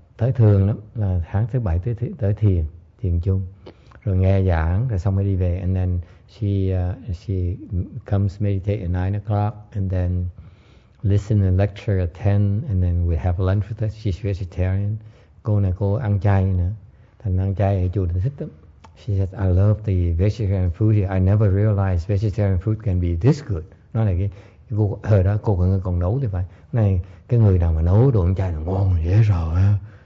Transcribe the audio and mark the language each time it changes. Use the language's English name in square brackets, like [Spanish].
[Vietnamese] Tới thường lắm, là tháng thứ bảy tới thiền chung, rồi nghe giảng, rồi xong mới đi về. [English] And then she comes meditate at 9 o'clock, and then listen and lecture at 10, and then we have lunch with her. She's vegetarian. [Vietnamese] Cô này cô ăn chay nữa, thành ăn chay ở chùa thì thích lắm. [English] She said, I love the vegetarian food here. I never realized vegetarian food can be this good. [Vietnamese] Nó là cái cô, hồi đó cô còn nấu thì phải. Này, cái người nào mà nấu đồ ăn chay là ngon dễ rồi á.